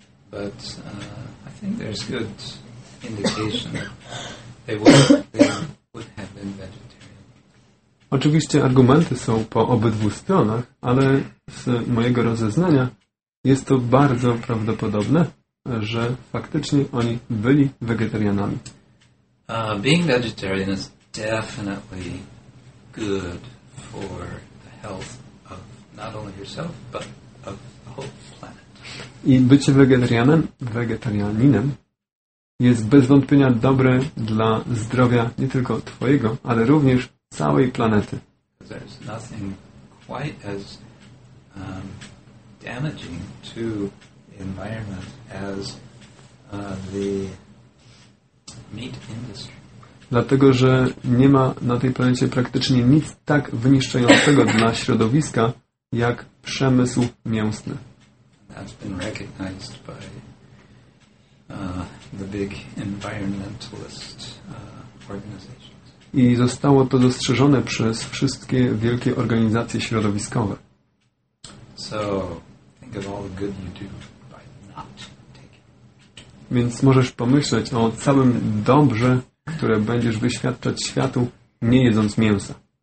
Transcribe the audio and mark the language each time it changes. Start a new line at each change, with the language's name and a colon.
English: But I think there's good indication that they would have been vegetarian.
Polish: Oczywiście argumenty są po obydwu stronach, ale z mojego rozeznania jest to bardzo prawdopodobne, że faktycznie oni byli wegetarianami.
English: Being vegetarian is definitely good for the health of not only yourself, but of the whole planet.
Polish: I bycie wegetarianinem jest bez wątpienia dobre dla zdrowia nie tylko twojego, ale również całej planety.
English: There's nothing quite as damaging to the environment as the meat industry.
Polish: Dlatego, że nie ma na tej planecie praktycznie nic tak wyniszczającego dla środowiska jak przemysł mięsny.
English: That's been recognized by the big environmentalist organizations.
Polish: I zostało to dostrzeżone przez wszystkie wielkie organizacje środowiskowe.
English: So, think of all the good you do by not taking.
Polish: Więc możesz pomyśleć o całym dobrze, które będziesz wyświadczać światu, nie jedząc mięsa.